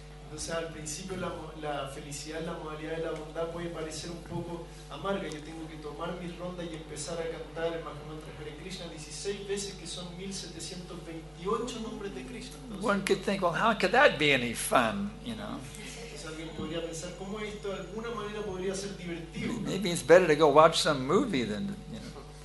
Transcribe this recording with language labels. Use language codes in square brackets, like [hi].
[es] O sea, al principio la felicidad, la modalidad de la bondad puede parecer un poco amarga. Yo tengo que tomar mi ronda y empezar a cantar el Mahamantra Hare Krishna 16 veces, que son 1,728 nombres de Krishna. [en] Entonces, one could think, well, how could that be any fun, you know? [es] Alguien podría pensar, ¿cómo esto de alguna manera podría ser divertido? [en] Maybe it's better to go watch some movie than, you know.